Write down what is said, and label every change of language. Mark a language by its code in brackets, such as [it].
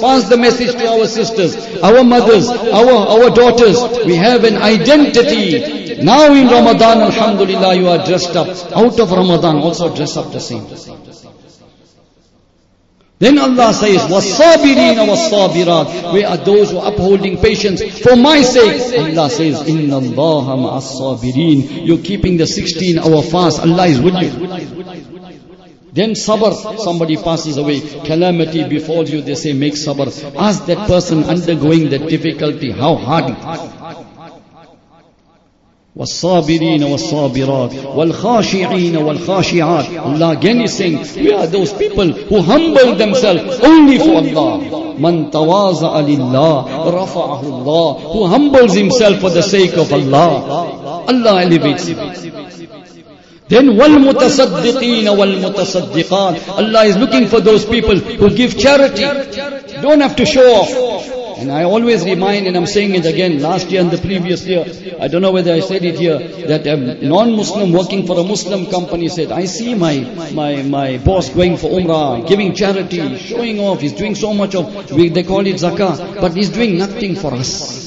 [en] Pass the message to our sisters, our mothers, our daughters. We have an identity. Now in Ramadan, alhamdulillah, you are dressed up. Out of Ramadan, also dress up the same. Then Allah says, [ar] وَالصَّابِرِينَ وَالصَّابِرَاتِ. [en] We are those who are upholding patience for my sake. Allah says, [ar] إِنَّ اللَّهَ مَعَ الصَّابِرِينَ. [en] You're keeping the 16-hour fast. Allah is with you. Then sabr, somebody passes away. Calamity befalls you, they say, make sabr. Ask that person undergoing that difficulty, how hard it is. [ar] والصابرين والصابرات والخاشعين والخاشعات. [en] Allah again is saying, we are those people who humble themselves only for Allah. [ar] من تواضع لله رفعه الله. [en] Who humbles himself for the sake of Allah, Allah elevates him. [ar] Then والمتصدقين والمتصدقات. [en] Allah is looking for those people who give charity. Don't have to show off. And I always remind, and I'm saying it again, last year and the previous year, I don't know whether I said it here, that a non-Muslim working for a Muslim company said, I see my boss going for Umrah, giving charity, showing off, he's doing so much of, they call it zakah, but he's doing nothing for us.